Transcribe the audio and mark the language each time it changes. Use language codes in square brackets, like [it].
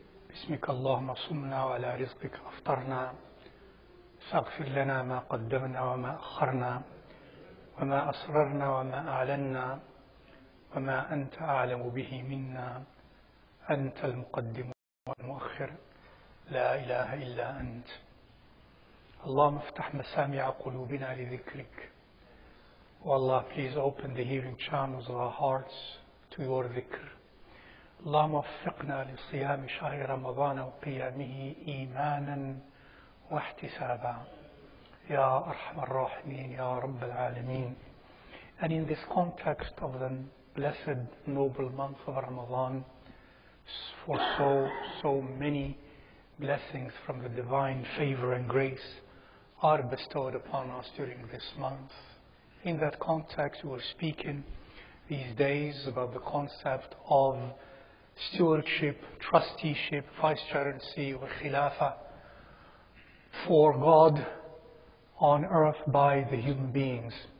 [ar] بسمك اللهم صمنا وعلى رزقك أفطرنا، فاغفر لنا ما قدمنا وما أخرنا، وما أسررنا وما أعلنا، وما أنت أعلم به منا، أنت المقدم والمؤخر، لا إله إلا أنت. اللهم افتح مسامع قلوبنا لذكرك. [en] والله please open the hearing channels of our hearts to your ذكر. [ar] اللهم وفقنا لصيام شهر رمضان وقيامه إيمانا واحتسابا يا أرحم الراحمين يا رب العالمين. [en] And in this context of the blessed noble month of Ramadan, for so many blessings from the divine favor and grace are bestowed upon us during this month. In that context, we're speaking these days about the concept of stewardship, trusteeship, vicegerency, or khilafa for God on earth by the human beings.